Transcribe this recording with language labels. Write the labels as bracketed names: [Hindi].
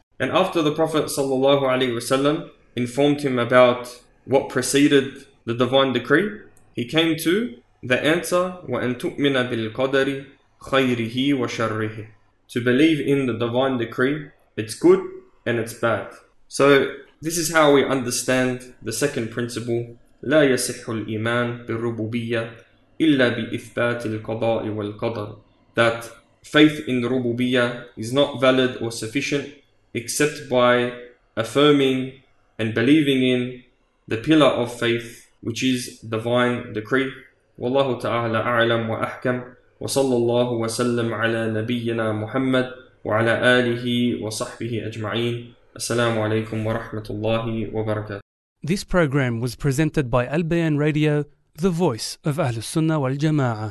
[English] And after the Prophet sallallahu alayhi wasallam informed him about what preceded the divine decree, he came to the answer, [Arabic] وَأَن تُؤْمِنَ بِالْقَدَرِ خَيْرِهِ وَشَرِّهِ. [English] To believe in the divine decree, it's good and it's bad. So this is how we understand the second principle, [Arabic] لا يصح الإيمان بالربوبية إلا بإثبات القضاء والقدر. [English] That faith in the rububiyyah is not valid or sufficient except by affirming and believing in the pillar of faith, which is divine decree. [Arabic] والله تعالى أعلم وأحكم وصلى الله وسلم على نبينا محمد وعلى آله وصحبه أجمعين السلام عليكم ورحمة الله وبركاته. [English] This program was presented by Al Bayan Radio, the voice of Ahl Sunnah wal Jama'ah.